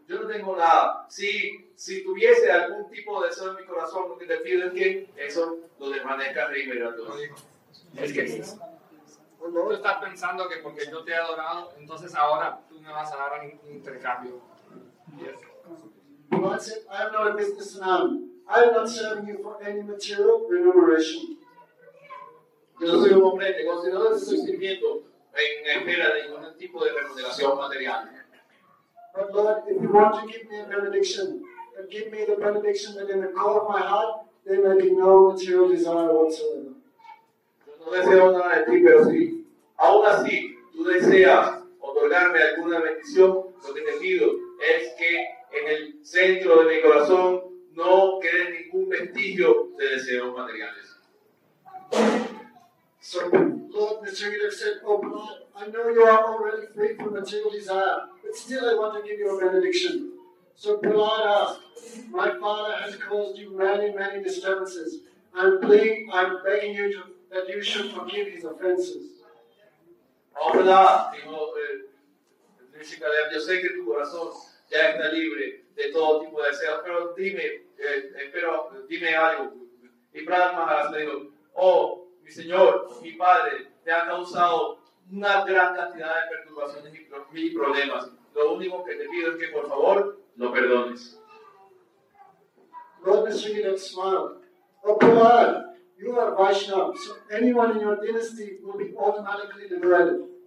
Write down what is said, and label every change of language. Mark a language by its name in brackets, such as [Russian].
[Spanish] Yo no tengo nada. Si tuviese algún tipo de deseo en mi corazón, lo que te pido es que eso lo desvanezcas de inmediato. Es que sí. Tú estás pensando que porque yo te he adorado, entonces ahora tú me vas a dar un intercambio. [English] Yes. I am not a businessman. I am not serving you for any material remuneration. [Spanish] Yo no soy un hombre de negocio, no estoy sirviendo en espera de ningún tipo de remuneración material. [English] But Lord, if you want to give me a benediction, and give me the benediction that in the core of my heart, there may be no material desire whatsoever. [Spanish] Yo no deseo nada de ti, pero si aún así tú deseas otorgarme alguna bendición, lo que te pido es que en el centro de mi corazón no quede ningún vestigio de deseos materiales. [English] So, Lord, Mr. Yudhak said, oh, Lord, I know you are already free from material desire, but still I want to give you a benediction. So, Prahlad asked, my father has caused you many, many disturbances. I'm begging you that you should forgive his offenses. [Spanish] Oh, Prahlad, dijo Nishikadev, yo sé que tu corazón ya está libre de todo tipo de deseos, pero dime algo. Y Prahlad Maharaj le dijo, oh, mi señor, mi padre, te ha causado una gran cantidad de perturbaciones y mil problemas. Lo único que te pido es que, por favor, lo perdones. [English] Lord Mr. Yudhak smiled. Oh, Prahlad, you are Vaishnav, so anyone in your dynasty will be automatically liberated.